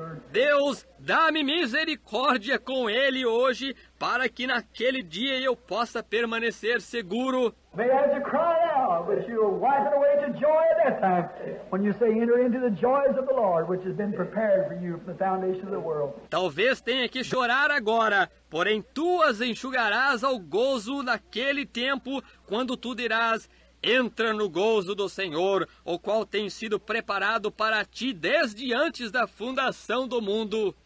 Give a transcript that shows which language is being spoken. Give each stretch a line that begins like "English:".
Portuguese: Deus, dá-me misericórdia com ele hoje, para que naquele dia eu possa permanecer seguro.
English: May I have to cry out, but you'll wipe it away to joy at that time when you say, enter into the joys of the Lord, which has been prepared for you from the foundation of the world.
Portuguese: Talvez tenha que chorar agora, porém tu as enxugarás ao gozo naquele tempo, quando tu dirás, entra no gozo do Senhor, o qual tem sido preparado para ti desde antes da fundação do mundo.